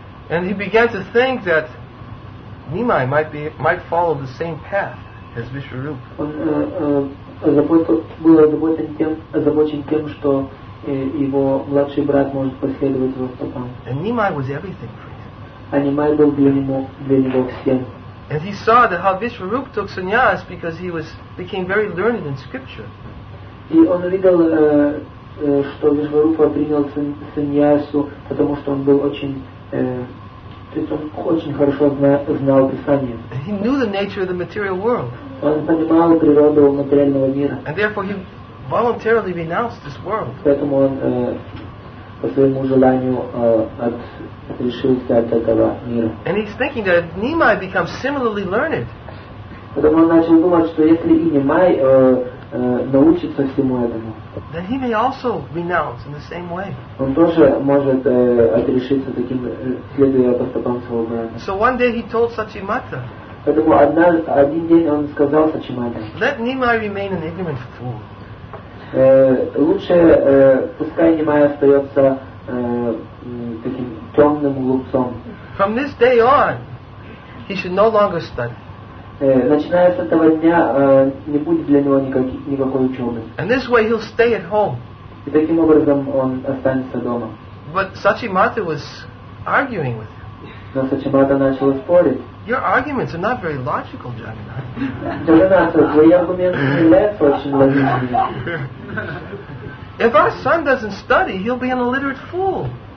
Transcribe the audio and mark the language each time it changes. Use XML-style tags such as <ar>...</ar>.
<en>And he began to think that Nimai might follow the same path as Vishwarupa.</en> <ru>Он был озабочен тем, что его младший брат может последовать его стопам.</ru> <en>And Nimai was everything for him.</en> <ru>А Нимай был для него всем.</ru> <en>And he saw that how Vishwarupa took sannyas because he became very learned in scripture.</en> <ru>И он видел, что Вишварупа принял саньясу, потому что он был очень хорошо знал Писание.</ru> <en>He knew the nature of the material world.</en> <ru>Он понимал природу материального мира.</ru> <en>And therefore he voluntarily renounced this world.</en> <ru>Поэтому он по своему желанию отрешился от этого мира.</ru> <en>And he's thinking that if Nimai becomes similarly learned.</en> <ru>Потому он начал думать, что если и Нимай научится всему этому,</ru> <en>then he may also renounce in the same way.</en> <ru>Он тоже может отрешиться таким, следуя по стопам своего брата.</ru> <en>So one day he told Sachimata.</en> <ru>Поэтому один день он сказал Сачимате.</ru> <en>Let Nimai remain an ignorant fool.</en> <ru>Лучше пускай Нимай остается таким темным глупцом.</ru> <en>From this day on, he should no longer study.</en> <ru>Начиная с этого дня, не будет для него никакой учебы.</ru> <en>And this way he'll stay at home.</en> <ru>И таким образом он останется дома.</ru> <en>But Сачимате was arguing with him.</en> <ru>Но Сачимата начал спорить.</ru> <en>Your arguments are not very logical, Jagannath.</en> <ru>Jagannath, твои аргументы не являются очень логичными.</ru> <en>If our son doesn't study, he'll be an illiterate fool.</en>